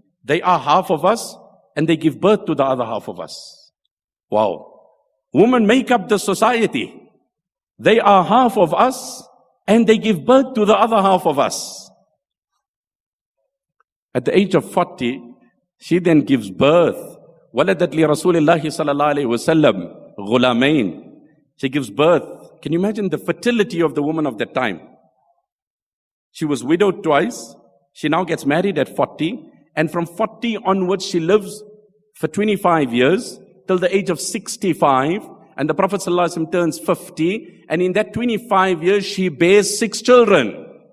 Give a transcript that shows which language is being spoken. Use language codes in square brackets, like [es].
[en] They are half of us and they give birth to the other half of us. Wow. Women make up the society. They are half of us and they give birth to the other half of us. At the age of 40, she then gives birth. [ar] وَلَدَتْ لِرَسُولِ اللَّهِ وَسَلَّمْ غُلَامَيْن [en] She gives birth. Can you imagine the fertility of the woman of that time? She was widowed twice. She now gets married at 40. And from 40 onwards, she lives for 25 years till the age of 65. And the Prophet ﷺ turns 50. And in that 25 years, she bears 6 children.